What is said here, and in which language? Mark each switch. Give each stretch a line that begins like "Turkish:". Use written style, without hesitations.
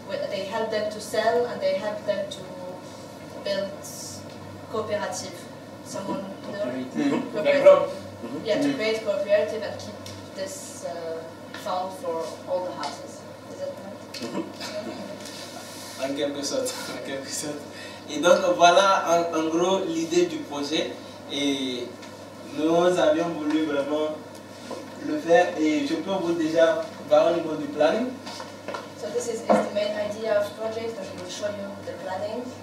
English: They help them to sell and they help them to build cooperative. Someone to create cooperative and keep this fund for all the houses. Is that right?
French: En quelque sorte. En quelque sorte. Et donc voilà en gros l'idée du projet. Et Nous avions voulu vraiment le faire et je peux vous déjà voir au niveau du planning.
English: So this is the main idea of project, I will show you the planning.